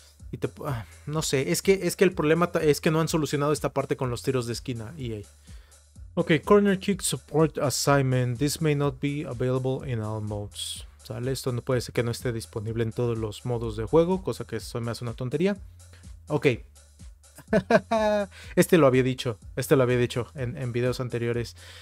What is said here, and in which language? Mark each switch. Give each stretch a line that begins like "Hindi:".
Spanish: Y te, no sé, es que el problema es que no han solucionado esta parte con los tiros de esquina, EA.
English: Ok, Corner Kick Support Assignment. This may not be available in all modes. ¿Sale?
Spanish: Esto no puede ser que no esté disponible en todos los modos de juego, cosa que eso me hace una tontería. Ok. Este lo había dicho en videos anteriores.